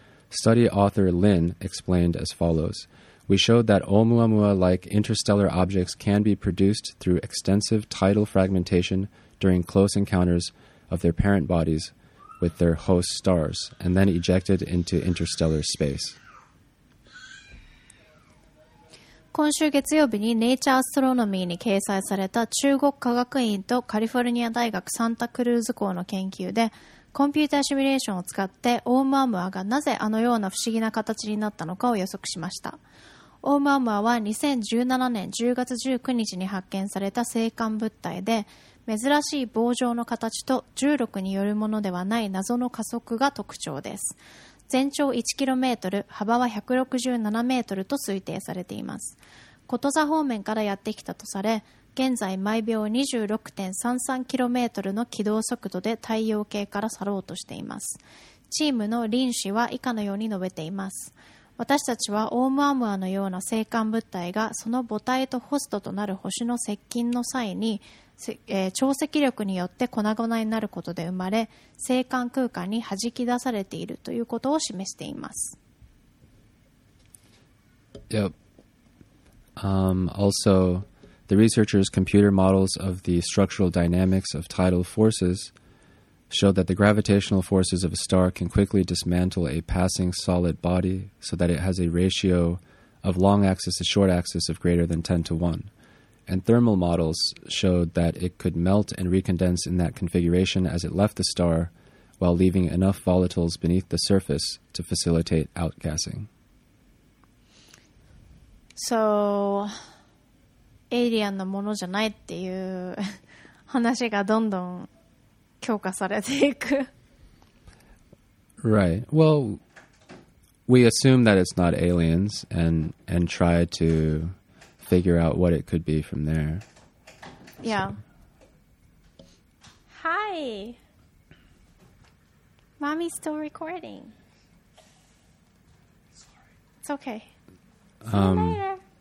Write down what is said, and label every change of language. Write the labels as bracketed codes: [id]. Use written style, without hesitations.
[en] Study author Lin explained as follows. We showed that Oumuamua-like interstellar objects can be produced through extensive tidal fragmentation during close encounters of their parent bodies with their host stars, and then ejected into interstellar space. [ja] 今週月曜日にネイチャーアストロノミーに掲載された中国科学院とカリフォルニア大学サンタクルーズ校の研究で、コンピューターシミュレーションを使ってオウムアムアがなぜあのような不思議な形になったのかを予測しました。オウムアムアは2017年10月19日に発見された星間物体で、珍しい棒状の形と重力によるものではない謎の加速が特徴です。全長1キロメートル、幅は167メートルと推定されています。コト座方面からやってきたとされ、現在毎秒 26.33 キロメートルの軌道速度で太陽系から去ろうとしています。チームのリン氏は以下のように述べています。私たちはオウムアムアのような星間物体がその母体とホストとなる星の接近の際に、潮汐力によって粉々になることで生まれ、星間空間に弾き出されているということを示しています。 [en] Yep. Also, the researchers' computer models of the structural dynamics of tidal forces showed that the gravitational forces of a star can quickly dismantle a passing solid body so that it has a ratio of long axis to short axis of greater than 10 to 1. And thermal models showed that it could melt and recondense in that configuration as it left the star, while leaving enough volatiles beneath the surface to facilitate outgassing. [ja] So, エイリアンのものじゃないっていう話がどんどん強化されていく。 [en] Right. Well, we assume that it's not aliens and try to figure out what it could be from there. Yeah. So. Hi. Mommy's still recording. Sorry. It's okay. See you later.